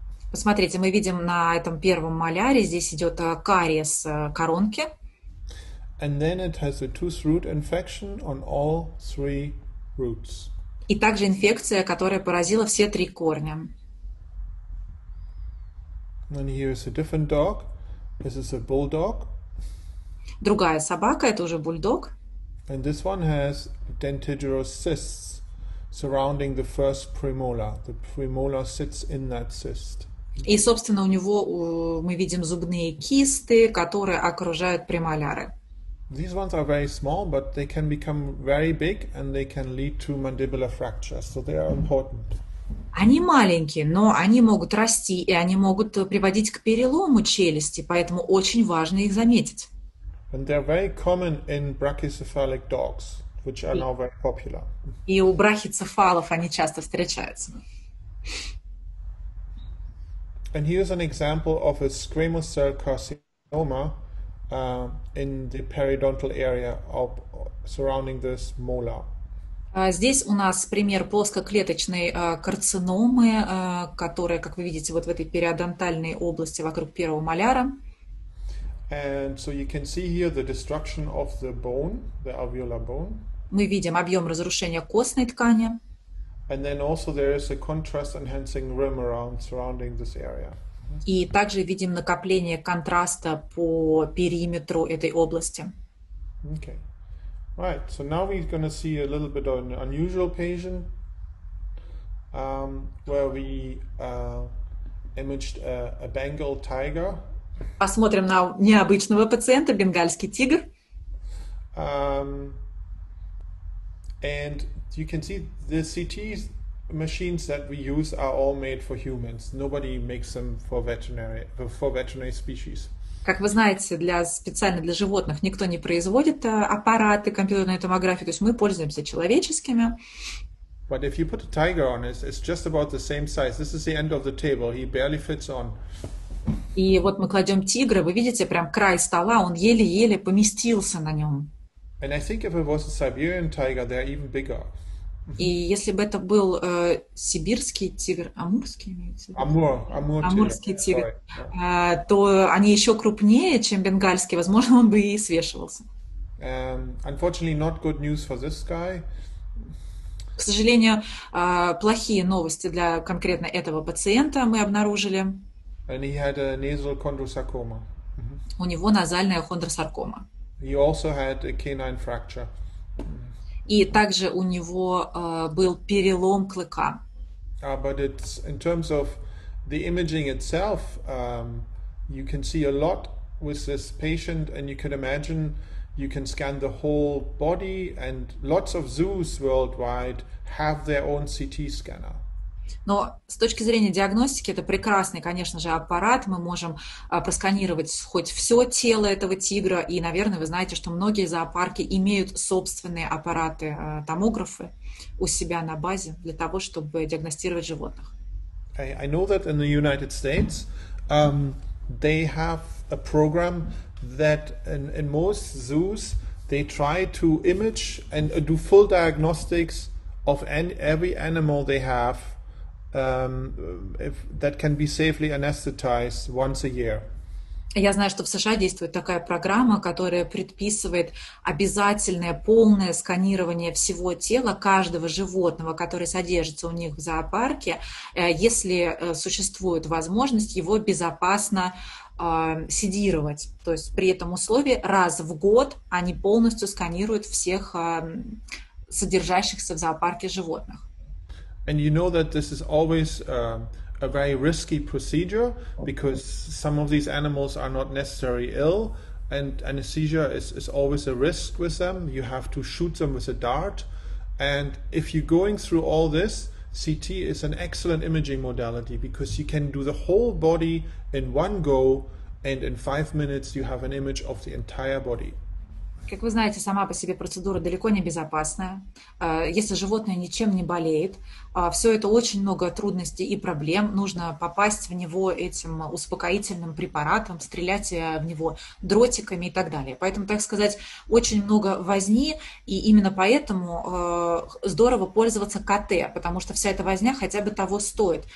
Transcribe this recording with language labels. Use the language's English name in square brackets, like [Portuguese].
[Russian] Посмотрите, мы видим на этом первом моляре, здесь идет кариес коронки. [English] And then it has a tooth root infection on all three roots. [Russian] И также инфекция, которая поразила все три корня. [English] And here is a different dog. This is a bulldog. [Russian] другая собака, это уже бульдог. [English] And this one has dentigerous cysts surrounding the first premolar. The premolar sits in that cyst. [Russian] И, собственно, у него мы видим зубные кисты, которые окружают премоляры. [English] These ones are very small, but they can become very big and they can lead to mandibular fractures. So they are important. [Russian] Они маленькие, но они могут расти, и они могут приводить к перелому челюсти, поэтому очень важно их заметить. [English] And they're very common in brachycephalic dogs, which are now very popular. [Russian] И у брахицефалов они часто встречаются. [English] And here's an example of a squamous cell carcinoma in the periodontal area of surrounding this molar. [Russian] Здесь у нас пример плоскоклеточной карциномы, которая, как вы видите, вот в этой периодонтальной области вокруг первого моляра. [English] And so you can see here the destruction of the bone, the alveolar bone. [Russian] Мы видим объем разрушения костной ткани. [English] And then also there is a contrast-enhancing rim around surrounding this area. [Russian] И также видим накопление контраста по периметру этой области. [English] Okay. Right, so now we're going to see a little bit of an unusual patient where we imaged a Bengal tiger. [Russian] Посмотрим на необычного пациента, бенгальский тигр. [English] And you can see the CT machines that we use are all made for humans. Nobody makes them for veterinary species. [Russian] Как вы знаете, специально для животных никто не производит аппараты компьютерной томографии, то есть мы пользуемся человеческими. [English] But if you put a tiger on, it's just about the same size. This is the end of the table. He barely fits on. [Russian] И вот мы кладем тигра, вы видите, прям край стола, он еле-еле поместился на нем. [English] And I think if it was a Siberian tiger, they're even bigger. [Russian] И если бы это был сибирский тигр, амурский имеется в виду? Амурский тигр, то они еще крупнее, чем бенгальский, возможно, он бы и свешивался. [English] Unfortunately, not good news for this guy. [Russian] К сожалению, плохие новости для конкретно этого пациента мы обнаружили. [English] And he had a nasal chondrosarcoma. [Russian] У него назальная хондросаркома. [English] He also had a canine fracture. [Russian] И также у него был перелом клыка. [English] But it's in terms of the imaging itself, you can see a lot with this patient, and you can imagine you can scan the whole body, and lots of zoos worldwide have their own CT scanner. [Russian] Но с точки зрения диагностики, это прекрасный, конечно же, аппарат. Мы можем просканировать хоть все тело этого тигра. И, наверное, вы знаете, что многие зоопарки имеют собственные аппараты, томографы у себя на базе для того, чтобы диагностировать животных. [English] I know that in the United States they have a program that in most zoos they try to image and do full diagnostics of every animal they have. If that can be safely anesthetized once a year. [Russian] Я знаю, что в США действует такая программа, которая предписывает обязательное полное сканирование всего тела каждого животного, которое содержится у них в зоопарке, если существует возможность его безопасно седировать. То есть при этом условии раз в год они полностью сканируют всех содержащихся в зоопарке животных. [English] And you know that this is always a very risky procedure because some of these animals are not necessarily ill, and anesthesia is always a risk with them. You have to shoot them with a dart, and if you're going through all this, CT is an excellent imaging modality because you can do the whole body in one go, and in 5 minutes you have an image of the entire body. [Russian] Как вы знаете, сама по себе процедура далеко не безопасная. Если животное ничем не болеет, все это очень много трудностей и проблем. Нужно попасть в него этим успокоительным препаратом, стрелять в него дротиками и так далее. Поэтому, так сказать, очень много возни, и именно поэтому здорово пользоваться КТ, потому что вся эта возня хотя бы того стоит.